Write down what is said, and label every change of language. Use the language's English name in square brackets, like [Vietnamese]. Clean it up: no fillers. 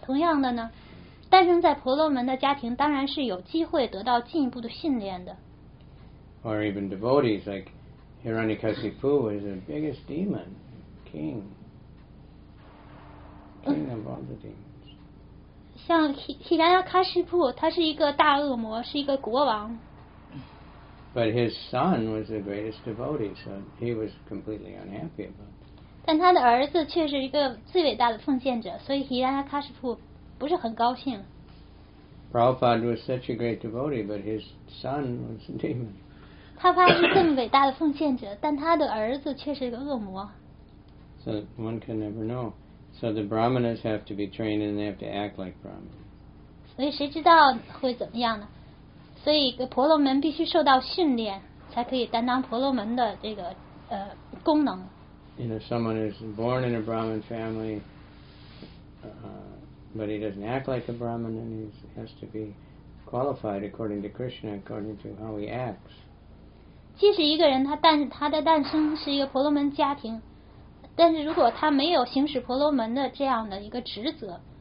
[Chinese] 同样的呢，诞生在婆罗门的家庭当然是有机会得到进一步的训练的。 [English] Or even devotees like Hiranyakasipu is the biggest demon king of all the demons. [Chinese] 像Hiranyakasipu他是一个大恶魔，是一个国王。 [English] But his son was the greatest devotee, so he was completely unhappy about it. [Chinese] 但他的儿子却是一个最伟大的奉献者，所以Hiranyakasipu不是很高兴。 [English] Prabhupada was such a great devotee, but his son was a demon. [Chinese] 他怕是这么伟大的奉献者，但他的儿子却是一个恶魔。 [English] So one can never know. So the Brahmanas have to be trained and they have to act like Brahmanas. [Chinese] 所以谁知道会怎么样呢？所以婆罗门必须受到训练，才可以担当婆罗门的这个功能。 [English] You know, someone is born in a Brahmin family, but he doesn't act like a Brahmin, and he has to be qualified according to Krishna, according to how he acts. [Chinese] 即使一个人他的诞生是一个婆罗门家庭。但是如果他没有行使婆罗门的这样的一个职责